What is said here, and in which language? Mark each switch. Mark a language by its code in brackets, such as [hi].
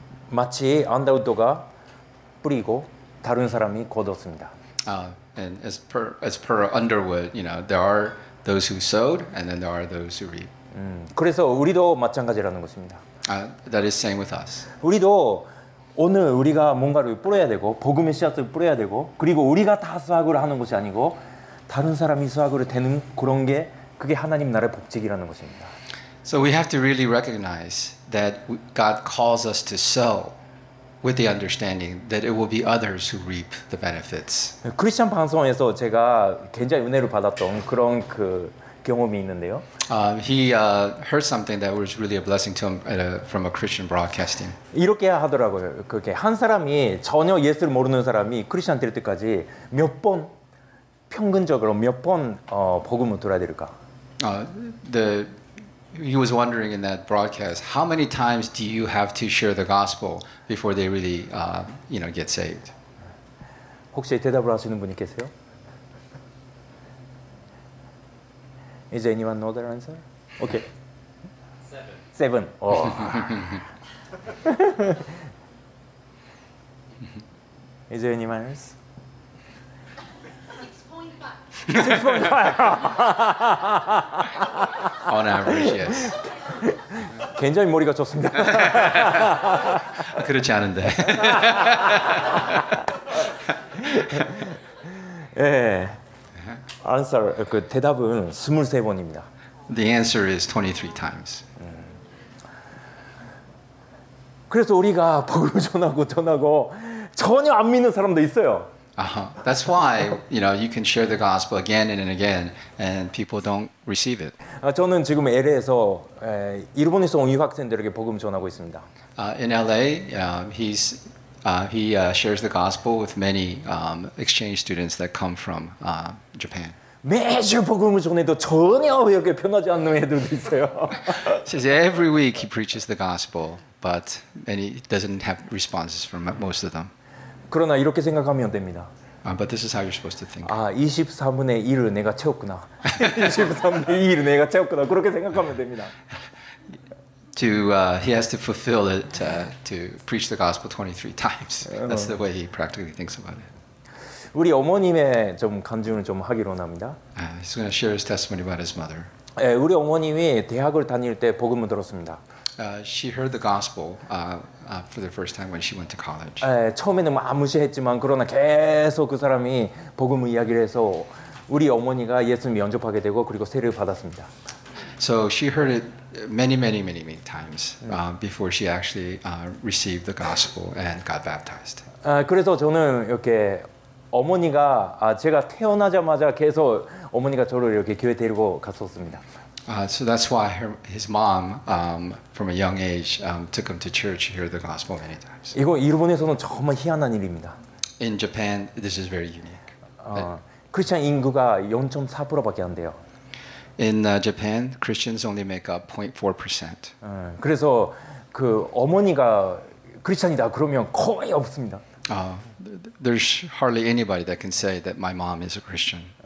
[ko] 마치 안다우도가 뿌리고 다른 사람이 거뒀습니다. [en] And as per Underwood, you know, there are those who sowed, and then there are those who reap. [ko] 그래서 우리도 마찬가지라는 것입니다. [en] That is same with us. [ko] 우리도 오늘 우리가 뭔가를 뿌려야 되고 복음의 씨앗을 뿌려야 되고 그리고 우리가 다 수확을 하는 것이 아니고 다른 사람이 수확을 되는 그런 게 그게 하나님 나라의 법칙이라는 것입니다. [en] So we have to really recognize that God calls us to sow with the understanding that it will be others who reap the benefits. [ko] 크리스천 방송에서 제가 굉장히 은혜를 받았던 그런 그 경험이 있는데요. [en] He heard something that was really a blessing to him from a Christian broadcasting. [ko] 이렇게 하더라고요. 그게 한 사람이 전혀 예수를 모르는 사람이 크리스천 될 때까지 몇 번 평균적으로 몇 번 복음을 들어야 될까? [en] The he was wondering in that broadcast, how many times do you have to share the gospel before they really, you know, get saved? [ko] 혹시 대답을 하시는 분이 계세요? [en] Is anyone know the answer? Okay. Seven. Seven. Oh. Is there any manners? 6.5. On average, yes. [ko] 굉장히 머리가 좋습니다. 그렇지 않은데. 예. Answer, 그 대답은 23번입니다. [en] The answer is 23 times. [ko] 그래서 우리가 복음 전하고 전하고 전혀 안 믿는 사람도 있어요. [en] That's why, you know, you can share the gospel again and again and people don't receive it. [ko] 저는 지금 LA에서 일본에서 온 유학생들에게 복음 전하고 있습니다. [en] In LA, he shares the gospel with many exchange students that come from Japan. [ko] 매주 복음을 전해도 전혀 여기 변하지 않는 애들도 있어요. [en] Says every week he preaches the gospel, but many doesn't have responses from most of them. [ko] 그러나 이렇게 생각하면 됩니다. [en] But this is how you're supposed to think. [ko] 아, 23분의 1을 내가 채웠구나. 23분의 1을 내가 채웠구나. 그렇게 생각하면 됩니다. [en] He has to fulfill it to preach the gospel 23 times. That's the way he practically thinks about it. [ko] 우리 어머님의 좀 간증을 좀 하기로 합니다. [en] He's going to share his testimony about his mother. [ko] 예, 우리 어머님이 대학을 다닐 때 복음을 들었습니다. [en] She heard the gospel for the first time when she went to college. [ko] 예, 처음에는 뭐 아무시했지만 그러나 계속 그 사람이 복음을 이야기를 해서 우리 어머니가 예수 영접하게 되고 그리고 세례를 받았습니다. [en] So she heard it many times before she actually received the gospel and got baptized. [ko] 그래서 저는 이렇게 어머니가 제가 태어나자마자 계속 어머니가 저를 이렇게 교회 데리고 갔었습니다. [en] So that's why his mom, from a young age, took him to church to hear the gospel many times. [ko] 이거 일본에서는 정말 희한한 일입니다. [en] In Japan, this is very unique. [ko] 크리스천 인구가 0.4%밖에 안 돼요. [en] In Japan, Christians only make up 0.4%. [ko] 그래서 그 어머니가 크리스천이다 그러면 거의 없습니다. [en] There's hardly anybody that can say that my mom is a Christian.